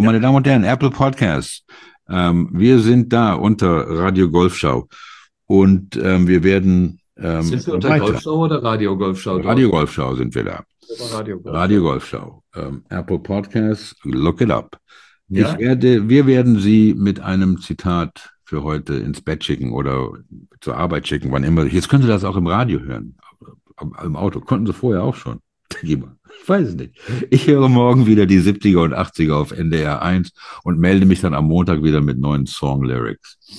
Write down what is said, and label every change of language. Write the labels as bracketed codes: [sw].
[de] Meine Damen und Herren, Apple Podcasts. Wir sind da unter Radio Golfschau. Und wir werden. Sind wir unter Golfschau oder Radio Golfschau? Radio Golfschau sind wir da. Radio Golfschau. [en] Apple Podcasts, look it up. [de] Ja? Wir werden Sie mit einem Zitat für heute ins Bett schicken oder zur Arbeit schicken, wann immer. Jetzt können Sie das auch im Radio hören, im Auto. Konnten Sie vorher auch schon. Ich weiß es nicht. Ich höre morgen wieder die 70er und 80er auf NDR1 und melde mich dann am Montag wieder mit neuen Song-Lyrics.